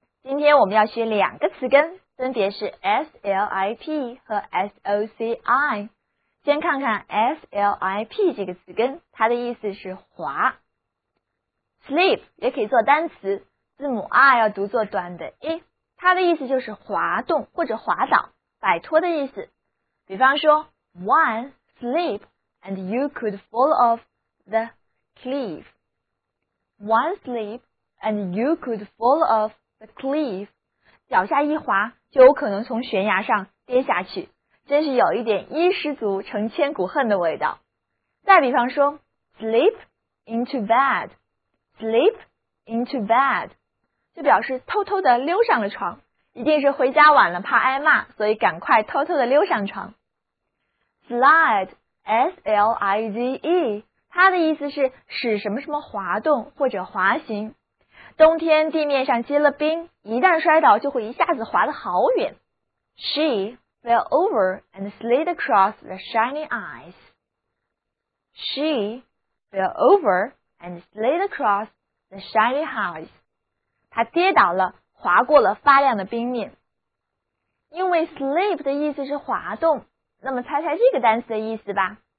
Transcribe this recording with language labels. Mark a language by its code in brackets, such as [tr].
[zh] 今天我们要学两个词根，分别是 slip 和 soci。先看看 slip 这个词根，它的意思是滑。 slip 也可以做单词，字母 i 要读作短的 i， 它的意思就是滑动或者滑倒、摆脱的意思。比方说 [en] one slip and you could fall off the cliff. One slip and you could fall off the cliff. [zh] 脚下一滑就有可能从悬崖上跌下去，真是有一点一失足成千古恨的味道。再比方说 [en] slip into bed. Slip into bed [zh] 就表示偷偷的溜上了床，一定是回家晚了怕挨骂，所以赶快偷偷的溜上床。 Slide, S-L-I-D-E, 它的意思是使什么什么滑动或者滑行。冬天地面上结了冰，一旦摔倒就会一下子滑得好远。 [en] She fell over and slid across the shining ice. She fell over and slid across the shining ice. [zh] 她跌倒了，滑过了发亮的冰面。因为 slip 的意思是滑动，那么猜猜这个单词的意思吧。